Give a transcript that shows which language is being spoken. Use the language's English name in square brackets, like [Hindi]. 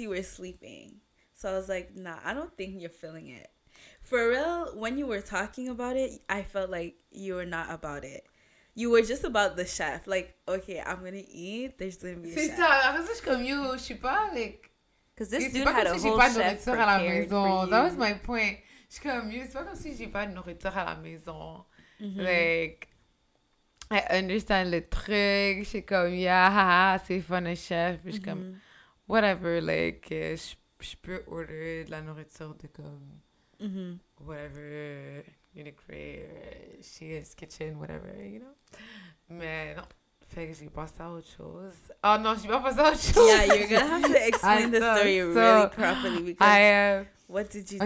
[English] You were sleeping, so I was like, nah, I don't think you're feeling it. For real, when you were talking about it, I felt like you were not about it. You were just about the chef. Like, okay, I'm gonna eat. There's gonna be a chef. [French] C'est ça. La raison c'est comme you. Je suis pas like. [English] Cause this dude had a whole chef prepared for you. That was my point. [French] Je suis comme [English] you. [French] C'est pas comme si j'ai pas de nourriture à la maison. Mm-hmm. [English] Like, I understand [French] le truc. Je suis comme yeah, c'est fun a chef. Je suis comme whatever. Like, je peux order de la nourriture de comme whatever. Unicre, Shea's Kitchen, [English] whatever, you know? [French] Mais non, fait que j'ai passé à autre chose. Oh non, j'ai pas passé à autre chose. [English] Yeah, you're gonna have to explain the story really properly because what did you do?